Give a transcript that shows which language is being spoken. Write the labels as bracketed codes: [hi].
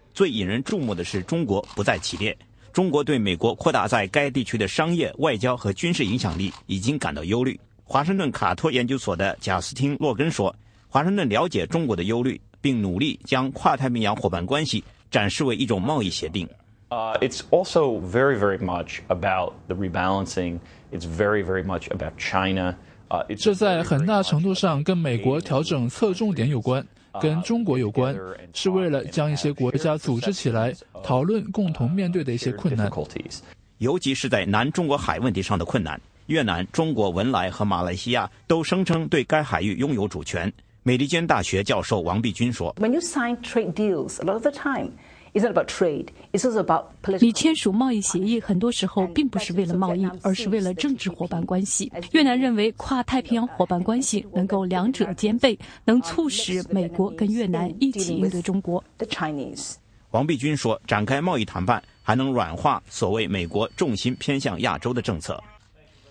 [zh] 最引人注目的是中国不在其列。中国对美国扩大在该地区的商业、外交和军事影响力已经感到忧虑。华盛顿卡托研究所的贾斯汀·洛根说，华盛顿了解中国的忧虑，并努力将跨太平洋伙伴关系展示为一种贸易协定。 [en] It's also very, very much about the rebalancing. It's very, very much about China. [zh] 这在很大程度上跟美国调整侧重点有关，跟中国有关，是为了将一些国家组织起来，讨论共同面对的一些困难。尤其是在南中国海问题上的困难。越南、中国、文莱和马来西亚都声称对该海域拥有主权。美利坚大学教授王碧君说 [en] ：“When you sign trade deals, a lot of the time, it's not about trade. It's also about political. [zh] 你签署贸易协议，很多时候并不是为了贸易，而是为了政治伙伴关系。越南认为跨太平洋伙伴关系能够两者兼备，能促使美国跟越南一起应对中国。 [en] The Chinese。” [zh] 王碧君说：“展开贸易谈判还能软化所谓美国重心偏向亚洲的政策。”